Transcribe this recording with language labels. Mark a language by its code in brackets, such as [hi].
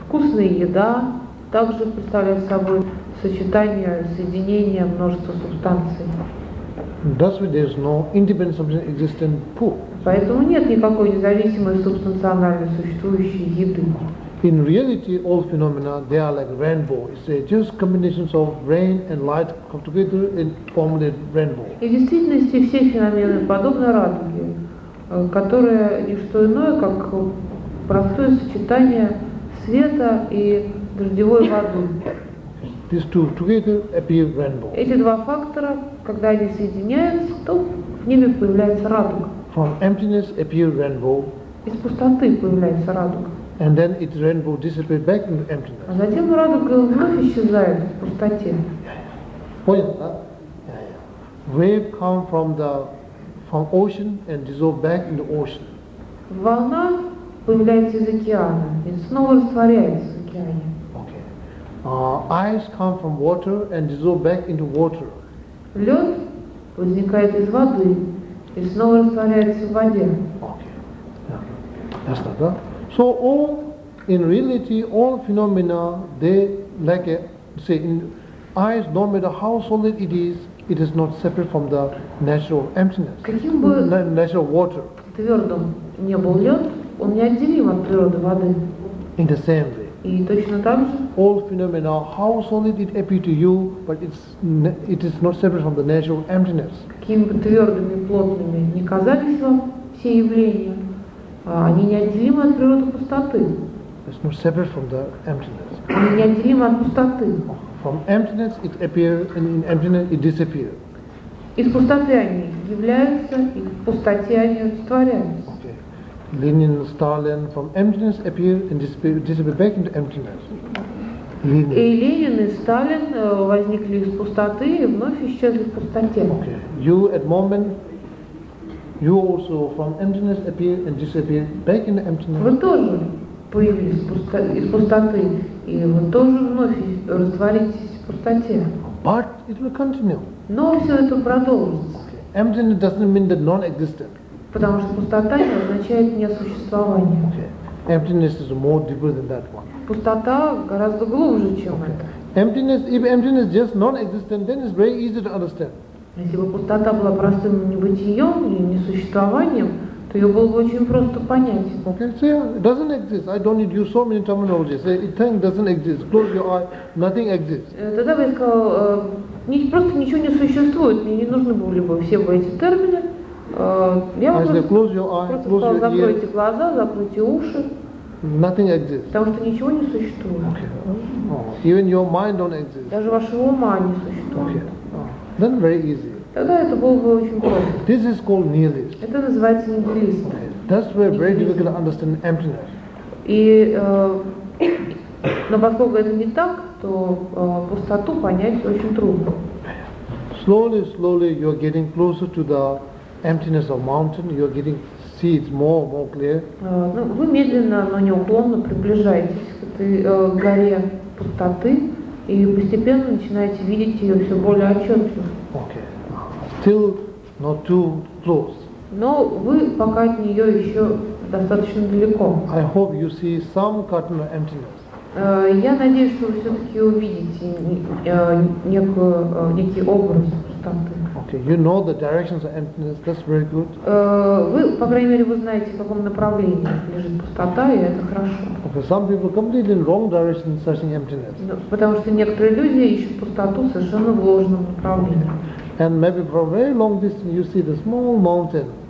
[ru] Вкусная еда также представляет собой сочетание, соединение множества субстанций. [en] Thus, there is no independent substance existing food. [ru] Поэтому нет никакой независимой субстанциональной существующей еды. [en] In reality, all phenomena they are like rainbow. It's just combinations of rain and light come together and form a rainbow. [ru] И в действительности все феномены подобны радуге, которая не что иное, как простое сочетание света и дождевой воды. [en] These two together appear rainbow. [ru] Эти два фактора, когда они соединяются, то в небе появляется радуга. [en] From emptiness appear rainbow. [ru] Из пустоты появляется радуга. [en] And then it rainbow disappears back into emptiness. [ru] А затем радуга вновь исчезает в пустоте. Понятно, да? [en] Yeah. Wave come from ocean and dissolve back in the ocean. [ru] Волна появляется из океана и снова растворяется в океане. [en] Okay. Ice come from water and dissolve back into water. [ru] Лед возникает из воды и снова растворяется в воде. [en] Okay. Yeah. That's that, huh? So all, in reality, all phenomena, they like a, say, in ice, no matter how solid it is, it is not separate from the natural emptiness, natural water. [ru] Твердым не был лед, он не отделим от природы воды. [en] In the same way. [ru] И точно так же. [en] All phenomena, how solid it appear to you, but it is not separate from the natural emptiness. [ru] Каким бы твердыми, плотными не казались вам все явления, они неотделимы от природы пустоты. [en] It's not separate from the emptiness. [ru] Они неотделимы от пустоты. [en] From emptiness it appears, and in emptiness it disappears. [ru] Из пустоты они являются, и в пустоте они растворяются. [en] Okay. Ленин, Сталин, from emptiness appear and disappear back into emptiness. [ru] Ленин. И Ленин, и Сталин возникли из пустоты и вновь исчезли в пустоте. [en] Okay. You at moment, you also from emptiness appear and disappear back into emptiness. [ru] Вы тоже появились из пустоты, и вы тоже вновь растворитесь в пустоте. [en] But it will continue. [ru] Но все это продолжится. [en] Okay. Emptiness doesn't mean the non-existent. [ru] Потому что пустота не означает несуществование. [en] Okay. Emptiness is more deeper than that one. [ru] Пустота гораздо глубже, чем okay. это. [en] Emptiness, if emptiness just non-existent, then it's very easy to understand. [ru] Если бы пустота была простым небытием и несуществованием, то ее было бы очень просто понять. [en] Okay, so yeah, it doesn't exist. I don't need you so many terminologies. It thing doesn't exist. Close your eye. Nothing exists. [ru] Тогда бы я сказал, просто ничего не существует. Мне не нужны были бы все бы эти термины. Я бы просто, [en] close your eye, [ru] просто [en] close [ru] сказал, [en] your [ru] закройте глаза, закройте уши. [en] Nothing exists. [ru] Потому что ничего не существует. [en] Okay. Oh. Even your mind don't exist. [ru] Даже вашего ума не существует. [en] Okay. Then very easy. [ru] Тогда это было бы очень просто. [en] This is called nihilism. [ru] Это называется нигилизм. [en] Okay. That's where very difficult to understand emptiness. [ru] И, но поскольку это не так, то пустоту понять очень трудно. [en] Slowly, slowly you're getting closer to the emptiness of mountain. You're getting seeds more and more clear. [ru] Вы медленно, но неуклонно приближаетесь к этой горе пустоты. И постепенно начинаете видеть ее все более отчетливо. [en] Okay. Still not too close. [ru] Но вы пока от нее еще достаточно далеко. [en] I hope you see some cartoon of emptiness. [ru] Я надеюсь, что вы все-таки увидите некий образ пустоты. [en] Okay. You know the directions of emptiness. That's very good. [ru] Вы, по крайней мере, вы знаете, в каком направлении лежит пустота, и это хорошо. [en] Some people completely in wrong direction searching emptiness. [ru] Потому что некоторые люди ищут пустоту совершенно в ложном направлении. [en] And maybe for a very long distance you see the small mountain.